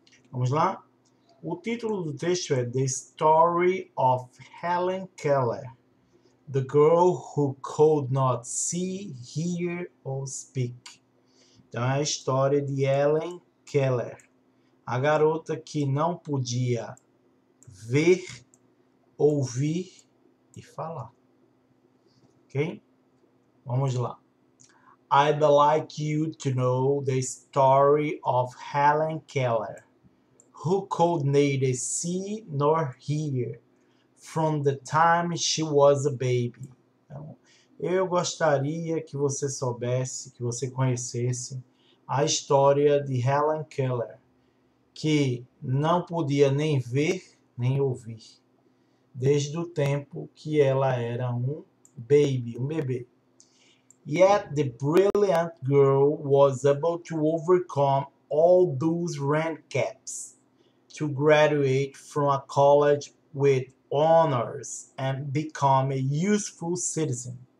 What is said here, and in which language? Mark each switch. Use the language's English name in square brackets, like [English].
[Portuguese] Vamos lá? O título do texto é The Story of Helen Keller, The Girl Who Could Not See, Hear or Speak. Então é a história de Helen Keller, a garota que não podia ver, ouvir e falar. Ok? Vamos lá. [English] I'd like you to know the story of Helen Keller. Who could neither see nor hear from the time she was a baby? [Portuguese] Então, eu gostaria que você soubesse, que você conhecesse a história de Helen Keller, que não podia nem ver nem ouvir, desde o tempo que ela era um baby, um bebê. [English] Yet the brilliant girl was able to overcome all those handicaps. To graduate from a college with honors and become a useful citizen.